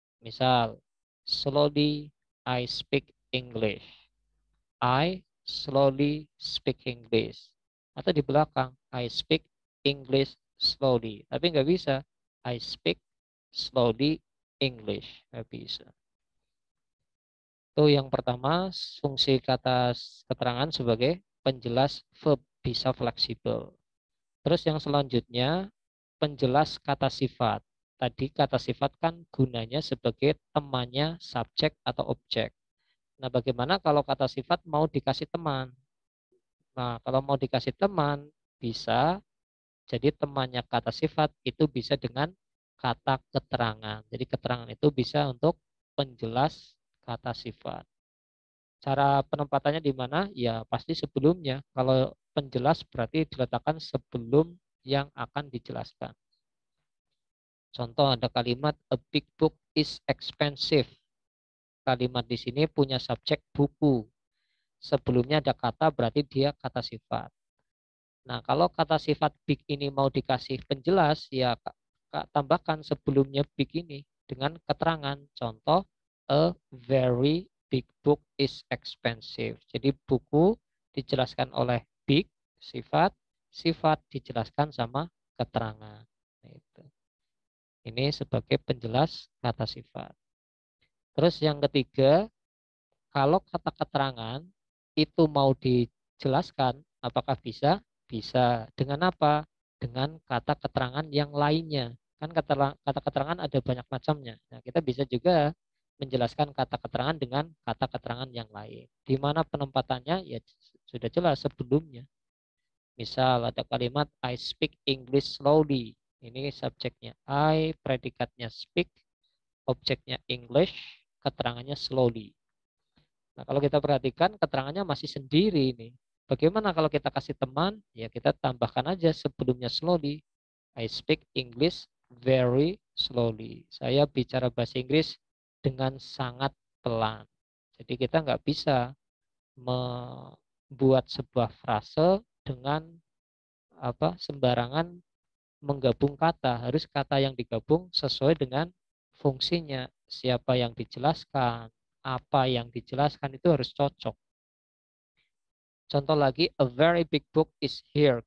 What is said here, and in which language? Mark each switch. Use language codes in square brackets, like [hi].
[id] Misal, [en] slowly I speak English. I slowly speak English. [id] Atau di belakang, [en] I speak English slowly. [id] Tapi nggak bisa, [en] I speak slowly English. [id] Nggak bisa. Itu yang pertama, fungsi kata keterangan sebagai penjelas verb, bisa fleksibel. Terus yang selanjutnya, penjelas kata sifat. Tadi kata sifat kan gunanya sebagai temannya subjek atau objek. Nah, bagaimana kalau kata sifat mau dikasih teman? Nah, kalau mau dikasih teman, bisa. Jadi, temannya kata sifat itu bisa dengan kata keterangan. Jadi, keterangan itu bisa untuk penjelas kata sifat. Cara penempatannya di mana? Ya, pasti sebelumnya. Kalau penjelas berarti diletakkan sebelum yang akan dijelaskan. Contoh, ada kalimat, [en] a big book is expensive. [id] Kalimat di sini punya subjek buku. Sebelumnya ada kata, berarti dia kata sifat. Nah, kalau kata sifat big ini mau dikasih penjelas, ya tambahkan sebelumnya big ini dengan keterangan. Contoh, [en] a very big book is expensive. [id] Jadi, buku dijelaskan oleh big, sifat. Sifat dijelaskan sama keterangan. Ini sebagai penjelas kata sifat. Terus yang ketiga, kalau kata keterangan itu mau dijelaskan, apakah bisa? Bisa. Dengan apa? Dengan kata keterangan yang lainnya. Kan kata keterangan ada banyak macamnya. Nah, kita bisa juga menjelaskan kata keterangan dengan kata keterangan yang lain. Di mana penempatannya? Ya sudah jelas sebelumnya. Misal ada kalimat, [en] I speak English slowly. [id] Ini subjeknya I, predikatnya speak, objeknya English, keterangannya slowly. Nah, kalau kita perhatikan keterangannya masih sendiri ini. Bagaimana kalau kita kasih teman? Ya, kita tambahkan aja sebelumnya slowly. [en] I speak English very slowly. [id] Saya bicara bahasa Inggris dengan sangat pelan. Jadi kita nggak bisa membuat sebuah frase dengan apa sembarangan menggabung kata, harus kata yang digabung sesuai dengan fungsinya. Siapa yang dijelaskan, apa yang dijelaskan itu harus cocok. Contoh lagi, [en] a very big book is here.